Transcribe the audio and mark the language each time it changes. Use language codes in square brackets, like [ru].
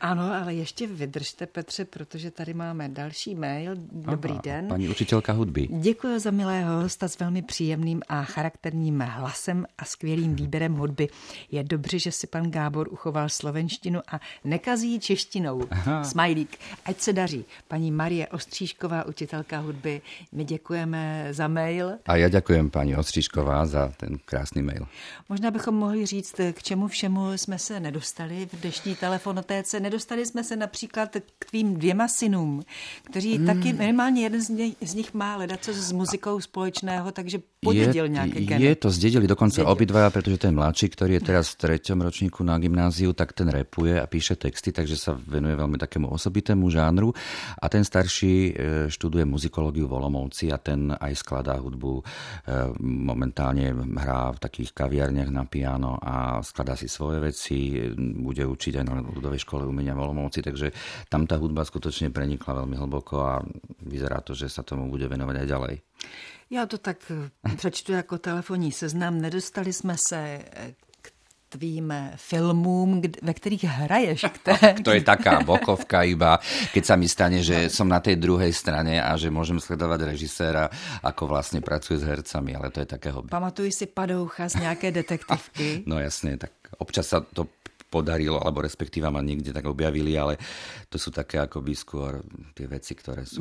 [sk] Áno, ale ešte vydržte, Petře, pretože [cs] tady máme další mail. Dobrý den. [sk] Pani učiteľka hudby. Ďakujem za milého hosta s veľmi príjemným a charakterným hlasem a skvělým výberem hudby. [cs] Je dobře, že si pan Gábor uchoval slovenštinu a nekazí češtinou. Smajlík. Ať se daří. Pani Marie Ostříšková, učiteľka hudby, my ďakujeme za mail. [sk] A ja ďakujem pani Ostříšková za ten krásny mail. [cs] Možná bychom mohli říct, k čemu všemu jsme se nedostali v telefonotéce. Nedostali jsme se například k tvým dvěma synům, kteří taky, minimálně jeden z nich má ledaco s muzikou společného, takže podědil nějaké geny. Je to, zdědili dokonce obi dva, protože ten mladší, který je teraz v třetím ročníku na gymnáziu, tak ten rapuje a píše texty, takže se venuje velmi takému osobitému žánru. [sk] A ten starší študuje muzikologii v Olomouci a ten aj skladá hudbu. Momentálně hrá v takých kaviarnách na piano a skladá si svoje věci, bude učiť aj na ľudovej škole umenia v Olomouci, takže tam tá hudba skutočne prenikla veľmi hlboko a vyzerá to, že sa tomu bude venovať aj ďalej. Ja to tak prečtu ako telefónny seznam. Nedostali sme sa k tvým filmům, ve kterých hraješ. To je taká bokovka iba, keď sa mi stane, že som na tej druhej strane a že môžem sledovať režiséra, ako vlastne pracuje s hercami, ale to je také hobby. [cs] Pamatuj si Padoucha z nejaké detektívky? [sk] No jasne, tak občas sa to podarilo, alebo respektíve ma niekde tak objavili, ale to sú také akoby skôr tie veci, ktoré sú